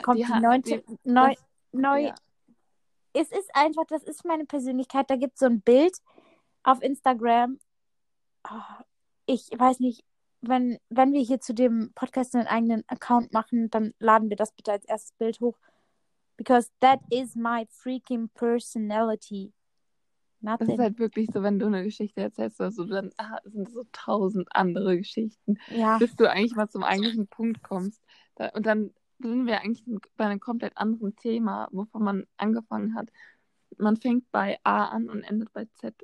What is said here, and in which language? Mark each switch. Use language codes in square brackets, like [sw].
[de] kommt die neunte, neu, das, neu. ja. Es ist einfach, das ist meine Persönlichkeit. Da gibt es so ein Bild auf Instagram. Oh, ich weiß nicht, wenn wir hier zu dem Podcast einen eigenen Account machen, dann laden wir das bitte als erstes Bild hoch. [en] Because that is my freaking personality. [de] Das ist [en] Nothing. [de] halt wirklich so, wenn du eine Geschichte erzählst, also dann sind so tausend andere Geschichten, Ja. bis du eigentlich mal zum eigentlichen Punkt kommst. Da, und dann sind wir eigentlich bei einem komplett anderen Thema, wovon man angefangen hat. Man fängt bei A an und endet bei Z.